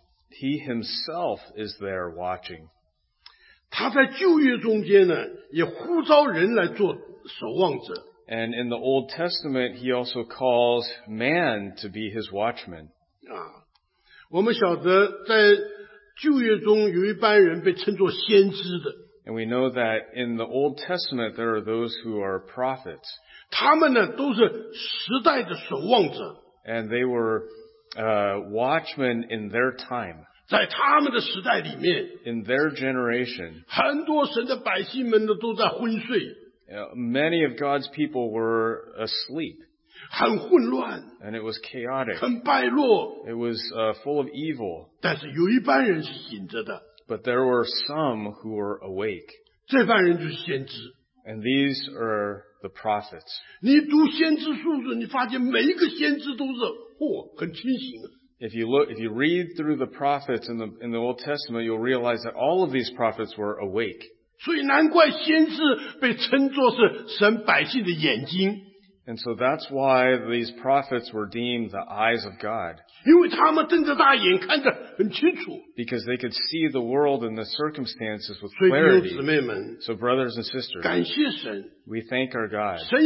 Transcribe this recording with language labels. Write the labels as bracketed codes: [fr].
[en] He Himself is there watching. [zh] 他在旧约中间呢，也呼召人来做守望者。 [en] And in the Old Testament, He also calls man to be His watchman. [zh] 我们晓得在旧约中有一般人被称作先知的。 [en] And we know that in the Old Testament, there are those who are prophets. [zh] 他们呢，都是时代的守望者。 [en] And they were watchmen in their time. [zh] 在他们的时代里面, [en] in their generation, [zh] 很多神的百姓们都在昏睡, [en] many of God's people were asleep, [zh] 很混乱, [en] and it was chaotic, [zh] 很败落, [en] it was full of evil, [zh] 但是有一般人是醒着的, [en] but there were some who were awake, [zh] 这般人就是先知, [en] and these are the prophets. [zh] 你读先知书子, 你发现每一个先知都是, 很清醒的。 [en] If you read through the prophets in the Old Testament, you'll realize that all of these prophets were awake. [zh] 所以难怪先知被称作是神百姓的眼睛。 [en] And so that's why these prophets were deemed the eyes of God. Because they could see the world and the circumstances with clarity. So brothers and sisters, we thank our God.